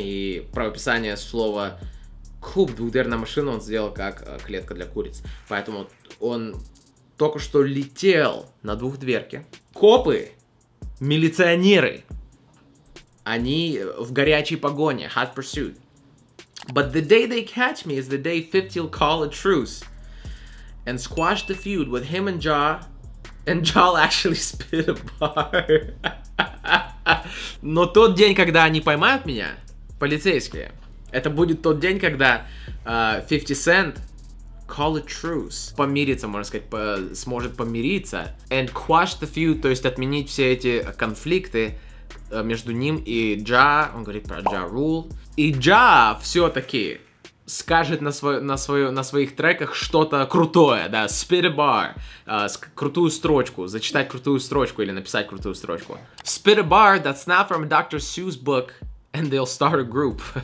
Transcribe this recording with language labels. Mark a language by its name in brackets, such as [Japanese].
[Russian] И правописание слова coop, двухдверная машина, он сделал как клетка для куриц. Поэтому он только что летел на двухдверке. Копы, милиционеры, они в горячей погоне, hot pursuit. [English] But the day they catch me is the day 50'll call a truce and squash the feud with him and Jaw, and Jaw actually spit a bar. [Russian] Но тот день, когда они поймают меня, полицейские, это будет тот день, когда 50 Cent [English] call a truce. [Russian] Помириться, можно сказать, сможет помириться. [English] And quash the feud, [Russian] то есть отменить все эти конфликты между ним и Ja. Он говорит про Ja Rule. И Ja все-таки скажет на своих треках что-то крутое, да, [English] spit a bar, [Russian] крутую строчку, зачитать крутую строчку или написать крутую строчку. [English] Spit a bar that's not from Dr. Seuss book. And they'll start a group.